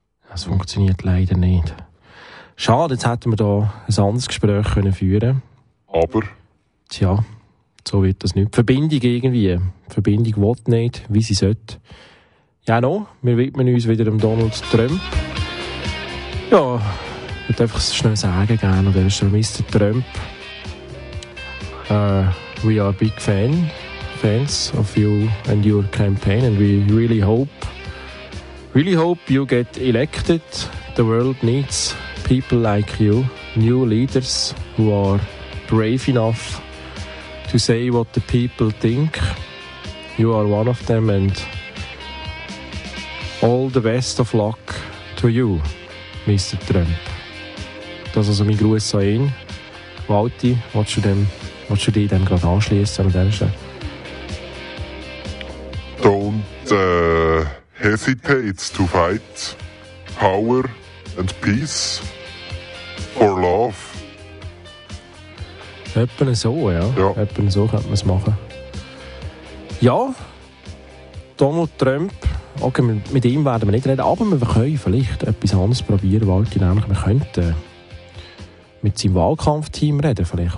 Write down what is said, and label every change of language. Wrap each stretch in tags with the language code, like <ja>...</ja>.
<de>Das funktioniert leider nicht. Schade, jetzt hätten wir hier ein anderes Gespräch können führen. Aber? Tja. So wird das nicht. Verbindung irgendwie. Verbindung will nicht, wie sie sollte. Ja, noch. Wir widmen uns wieder dem Donald Trump. Ja, ich würde einfach schnell sagen gerne. Der ist Mr. Trump.</de> <en>We are big fans of you and your campaign. And we really hope you get elected. The world needs people like you. New leaders who are brave enough to say what the people think. You are one of them, and all the best of luck to you, Mr. Trump.</en> <de>Das also mein Gruß an ihn. Walti, willst du dich dem gerade anschliessen an dem Stelle?</de> <en>Don't hesitate to fight power and peace for love.</en> <de>Etwa so, ja. Etwa so könnte man es machen. Ja, Donald Trump, okay, mit ihm werden wir nicht reden, aber wir können vielleicht etwas anderes probieren, Walti, nämlich wir könnten mit seinem Wahlkampfteam reden, vielleicht.</de>